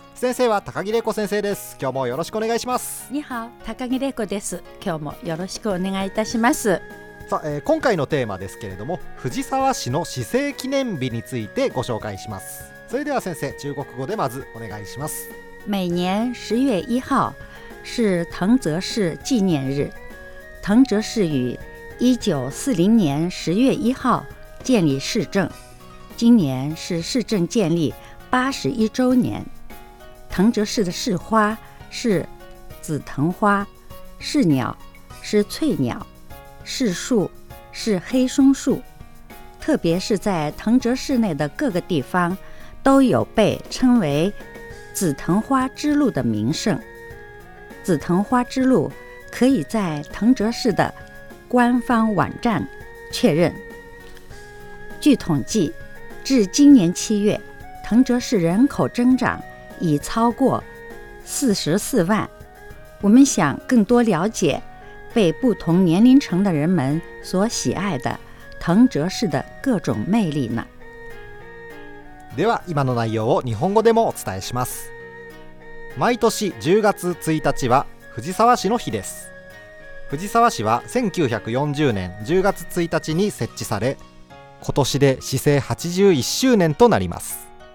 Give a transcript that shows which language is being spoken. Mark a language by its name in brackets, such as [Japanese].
[Japanese] 先生は高木玲子先生です。今日もよろしくお願いします。 [Chinese] 你好、 [Japanese] 高木玲子です。今日もよろしくお願いいたします。さあ、今回のテーマですけれども、藤沢市の市政記念日についてご紹介します。それでは先生、中国語でまずお願いします。 [Chinese] 每年10月1号是藤泽市纪念日。藤泽市于1940年10月1号建立市政，今年是市政建立81周年。藤泽市的市花是紫藤花，市鸟是翠鸟，市树是黑松树。特别是在藤泽市内的各个地方都有被称为紫藤花之路的名胜。紫藤花之路可以在藤泽市的官方网站确认。据统计，至今年七月，藤泽市人口增长已超过44万。我们想更多了解被不同年龄层的人们所喜爱的藤泽市的各种魅力呢？ [Japanese] では今の内容を日本語でもお伝えします。毎年10月1日は藤沢市の日です。藤沢市は1940年10月1日に設置され、今年で市政81周年となります。